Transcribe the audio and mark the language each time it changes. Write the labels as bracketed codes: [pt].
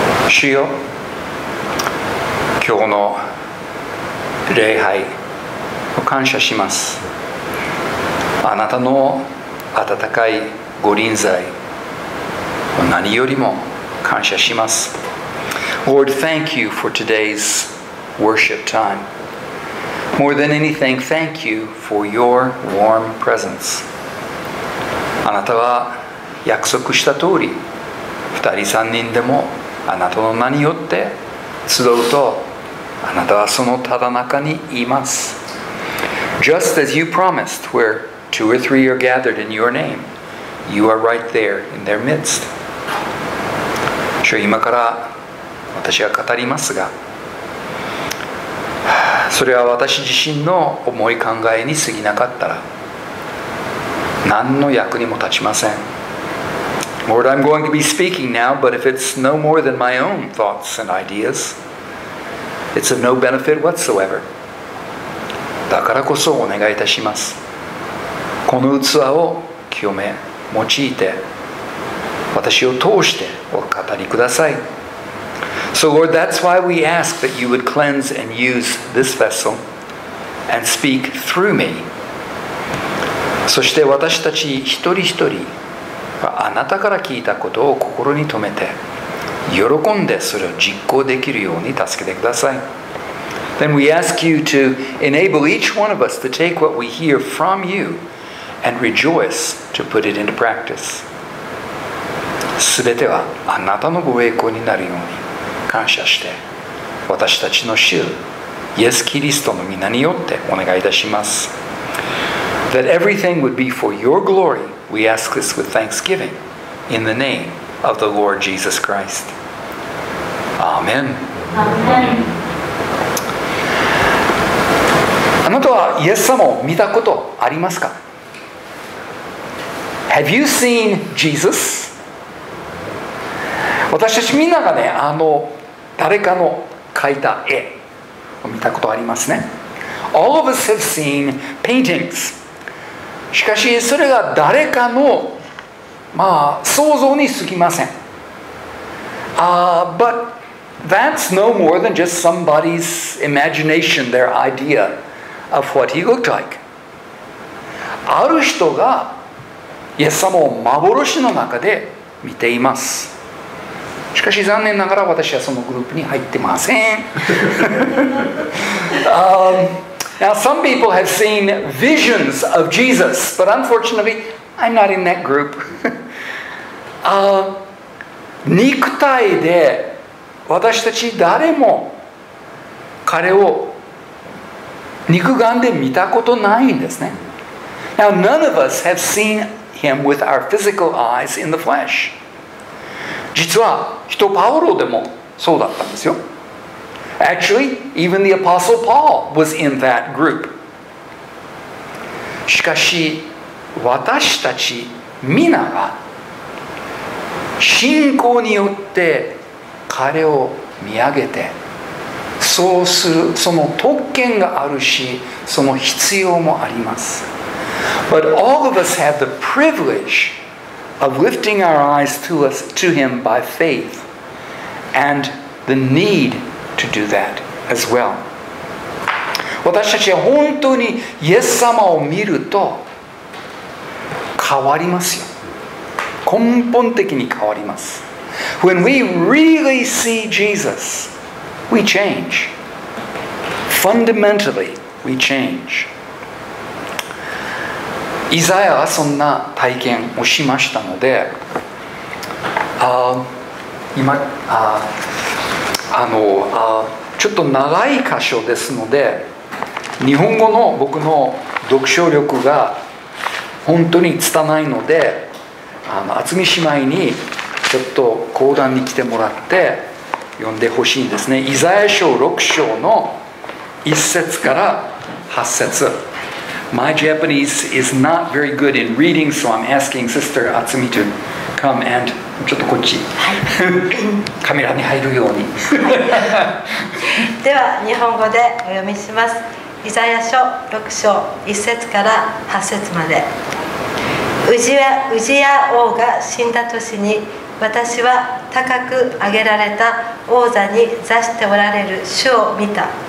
[ja] 主よ、今日の礼拝を感謝します。あなたの温かい御臨在を何よりも感謝します。 [en] Lord, thank you for today's worship time. More than anything, thank you for your warm presence. [ja] あなたは約束した通り、二人三人でもあなたの名によって集うと、あなたはそのただ中にいます。 [en] Just as you promised, where two or three are gathered in your name, you are right there in their midst. [ja] 今から私は語りますが、それは私自身の思い考えに過ぎなかったら何の役にも立ちません。 [en] Lord, I'm going to be speaking now, but if it's no more than my own thoughts and ideas, it's of no benefit whatsoever. [ja] だからこそお願いいたします。この器を清め、用いて、私を通してお語りください。 [en] So Lord, that's why we ask that you would cleanse and use this vessel and speak through me. [ja] そして私たち一人一人はあなたから聞いたことを心に留めて喜んでそれを実行できるように助けてください。 [en] Then we ask you to enable each one of us to take what we hear from you and rejoice to put it into practice. [ja] すべてはあなたのご栄光になるように。感謝して私たちの主イエス・キリストの皆によってお願いいたします。 [en] That everything would be for your glory, we ask this with thanksgiving in the name of the Lord Jesus Christ. Amen. Amen. [ja] あなたはイエス様を見たことありますか? [en] Have you seen Jesus? [ja] 私たちみんながね、あの誰かの描いた絵を見たことありますね。 [en] All of us have seen paintings. [ja] しかしそれが誰かの、まあ、想像に過ぎません。 [en] But that's no more than just somebody's imagination, their idea of what he looked like. [ja] ある人がイエス様を幻の中で見ています。しかし残念ながら私はそのグループに入ってません。 [en] Now, some people have seen visions of Jesus, but unfortunately, I'm not in that group. [ja] 肉体で私たち誰も彼を肉眼で見たことないんですね。 [en] Now, none of us have seen him with our physical eyes in the flesh. [ja] 実は人パウロでもそうだったんですよ。 [en] Actually, even the Apostle Paul was in that group. [ja] しかし私たち皆が信仰によって彼を見上げてそうするその特権があるしその必要もあります。 [en] But all of us have the privilegeof lifting our eyes to us to him by faith and the need to do that as well. [ja] 私たちは本当にイエス様を見ると変わりますよ。根本的に変わります。 [en] When we really see Jesus, we change. Fundamentally, we change. [ja] イザヤはそんな体験をしましたので、ちょっと長い箇所ですので、日本語の僕の読書力が本当に拙いので、厚み姉妹にちょっと講談に来てもらって読んでほしいんですね。イザヤ書6章の1節から8節。 [en] My Japanese is not very good in reading, so I'm asking Sister Atsumi to come and... [ja] ちょっとこっち。カメラに入るように。では、日本語でお読みします。イザヤ書6章1節から8節まで。ウジヤ王が死んだ年に、私は高く上げられた王座に座しておられる主を見た。